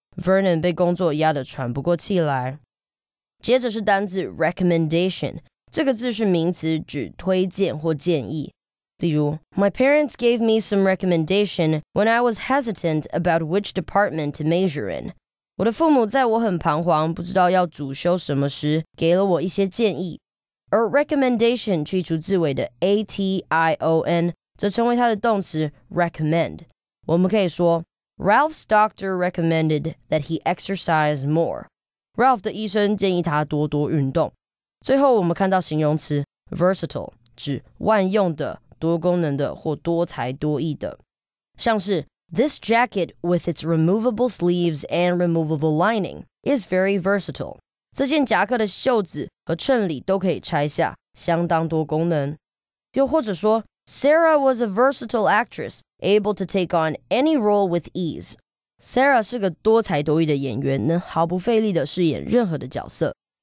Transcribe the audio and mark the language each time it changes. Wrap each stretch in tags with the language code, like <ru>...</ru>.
<zh>Vernon 被工作压得喘不过气来。接着是单字 recommendation， 这个字是名词，指推荐或建议。例如</zh> <en>，My parents gave me some recommendation when I was hesitant about which department to major in。</en> <zh>我的父母在我很彷徨，不知道要主修什么时，给了我一些建议。而 recommendation 去除字尾的 ation， 则成为它的动词 recommend。我们可以说</zh> <en>，Ralph's doctor recommended that he exercise more。</en> <zh>Ralph 的医生建议他多多运动。最后，我们看到形容词 versatile， 指万用的。多功能的或多才多艺的，像是</zh> <en>This jacket with its removable sleeves and removable lining is very versatile.</en> <zh>这件夹克的袖子和衬里都可以拆下，相当多功能。又或者说</zh> <en>Sarah was a versatile actress, able to take on any role with ease.</en> <zh>Sarah 是个多才多艺的演员，能毫不费力地饰演任何的角色。</zh>